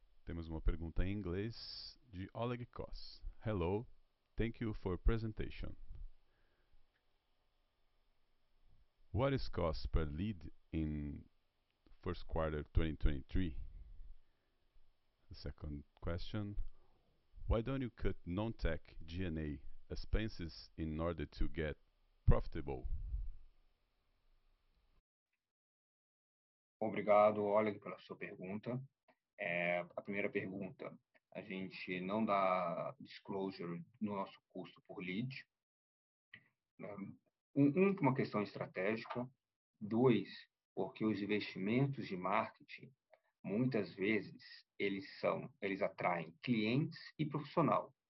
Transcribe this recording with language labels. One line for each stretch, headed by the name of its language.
Portuguese: Temos uma pergunta em inglês de Oleg Koss.
English: Hello, thank you for presentation. What is cost per lead in first quarter 2023? The second question, why don't you cut non-tech G&A expenses in order to get profitable?
Portuguese: Obrigado, Oleg, pela sua pergunta. A primeira pergunta, a gente não dá disclosure no nosso custo por lead. Uma questão estratégica, dois, porque os investimentos de marketing, muitas vezes, eles atraem clientes e profissional.